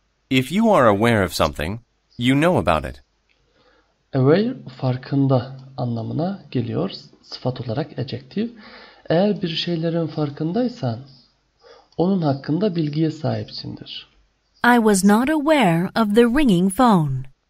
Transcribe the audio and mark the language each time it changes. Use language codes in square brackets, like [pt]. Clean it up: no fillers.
[en] If you are aware of something, you know about it. [tr] Aware, farkında anlamına geliyor. Sıfat olarak adjective. Eğer bir şeylerin farkındaysan, onun hakkında bilgiye sahipsindir. [en] I was not aware of the ringing phone.